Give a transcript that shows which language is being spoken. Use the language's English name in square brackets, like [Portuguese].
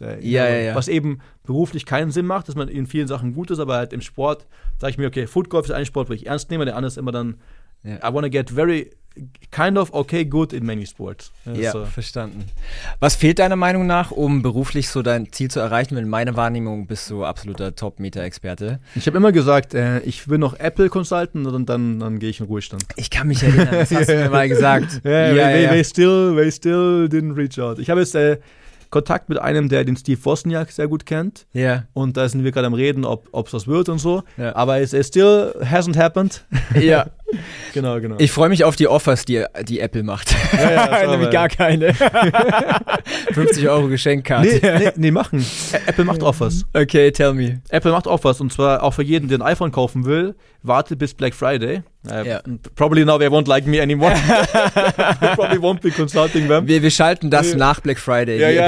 [German] Was eben beruflich keinen Sinn macht, dass man in vielen Sachen gut ist, aber halt im Sport sage ich mir, okay, Footgolf ist ein Sport, wo ich ernst nehme, der andere ist immer dann, [English] I want to get very kind of okay good in many sports. [German] Ja, so. Verstanden. Was fehlt deiner Meinung nach, um beruflich so dein Ziel zu erreichen? In meiner Wahrnehmung bist du absoluter Top-Meta-Experte. Ich habe immer gesagt, ich will noch Apple consulten und dann gehe ich in Ruhestand. Ich kann mich erinnern, das hast du mir mal gesagt. [English] They still didn't reach out. [German] Ich habe jetzt Kontakt mit einem, der den Steve Wozniak sehr gut kennt. Ja. Yeah. Und da sind wir gerade am Reden, ob es was wird und so. [English] Yeah. [German] Aber [English] it still hasn't happened. [German] Ja. Genau. Ich freue mich auf die Offers, die Apple macht. Ja, nämlich gar keine. 50 Euro Geschenkkarte. Nee, machen. Apple macht Offers. [English] Okay, tell me. [German] Apple macht Offers. Und zwar auch für jeden, der ein iPhone kaufen will, wartet bis Black Friday. [English] Probably now they won't like me anymore. Probably won't be consulting them. [German] Wir schalten das nach Black Friday.